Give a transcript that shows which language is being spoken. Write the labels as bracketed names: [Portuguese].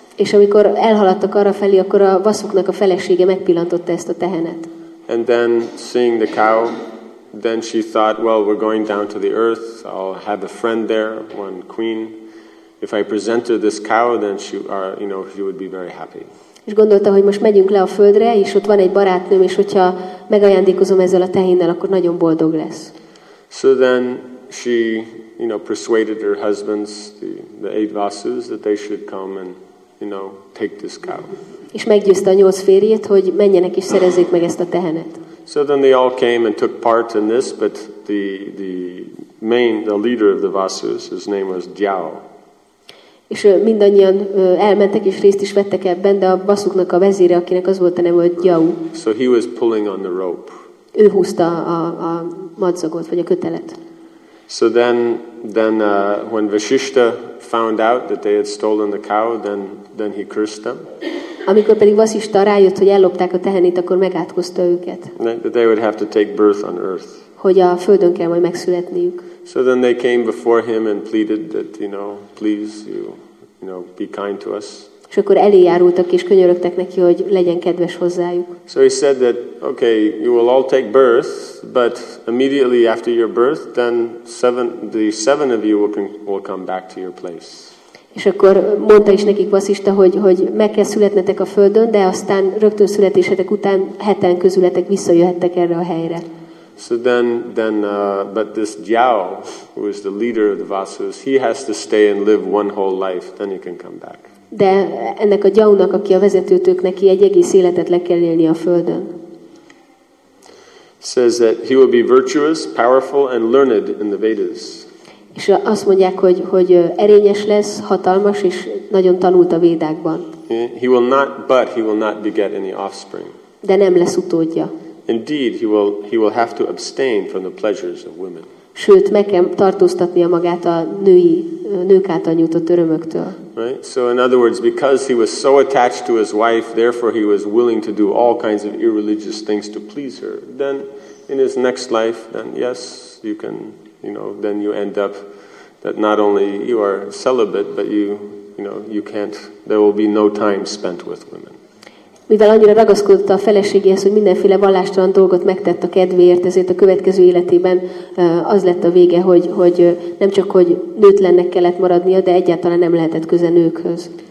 [Hungarian] És amikor elhaladtak arra felé, akkor a Vasuknak a felesége megpillantotta ezt a tehenet. [English] And then seeing the cow, then she thought, well, we're going down to the earth. I'll have a friend there, one queen. If I present her this cow, then she would be very happy. [Hungarian] És gondolta, hogy most megyünk le a földre, és ott van egy barátnőm, és hogyha megajándékozom ezzel a tehénnel, akkor nagyon boldog lesz. [English] So then she, you know, persuaded her husbands, the eight vasus, that they should come and, you know, take this cow. [Hungarian] És meggyőzte a nyolc férjét, hogy menjenek és szerezzék meg ezt a tehenet. [English] So then they all came and took part in this, but the main, the leader of the Vasus, his name was Diao. [Hungarian] És mindannyian elmentek és részt is vettek ebben, de a Vasuknak a vezére, akinek az volt a neve, hogy Diao. [English] So he was pulling on the rope. [Hungarian] Ő húzta a madzagot vagy a kötelet. [English] So then when Vasishta found out that they had stolen the cow, then he cursed them. [Hungarian] Amikor pedig Vasishta rájött, hogy ellopták a tehenét, akkor megátkozta őket. [English] That they would have to take birth on earth. [Hungarian] Hogy a földön kell majd megszületniük. [English] So then they came before him and pleaded that, you know, please you know be kind to us. [Hungarian] És akkor eléjárultak és könyörögtek neki, hogy legyen kedves hozzájuk. [English] So he said that, okay, you will all take birth, but immediately after your birth, then the seven of you will come back to your place. [Hungarian] És akkor mondta is nekik Vasishta, hogy meg kell születnetek a földön, de aztán rögtön születésetek után heten közületek visszajöhettek erre a helyre. [English] So then but this Jiao, who is the leader of the Vasus, he has to stay and live one whole life, then he can come back. [Hungarian] De ennek a Jiaónak, aki a vezetőtök, neki egy egész életet le kell élni a földön. [English] Says that he will be virtuous, powerful and learned in the Vedas. [Hungarian] És azt mondják, hogy erényes lesz, hatalmas és nagyon tanult a Védákban. [English] He will not beget any offspring. [Hungarian] De nem lesz utódja. [English] Indeed, he will have to abstain from the pleasures of women. [Hungarian] Sőt, meg kell tartóztatnia magát a nők által nyújtott örömöktől. [English] Right? So in other words, because he was so attached to his wife, therefore he was willing to do all kinds of irreligious things to please her. Then in his next life, then yes, you can, you know, then you end up that not only you are celibate, but you can't, there will be no time spent with women. [Hungarian] Mivel annyira ragaszkodott a feleségéhez, hogy mindenféle vallástalan dolgot megtett a kedvéért, ezért a következő életében az lett a vége, hogy nem csak hogy nőtlennek kellett maradnia, de egyáltalán nem lehetett köze nőkhöz.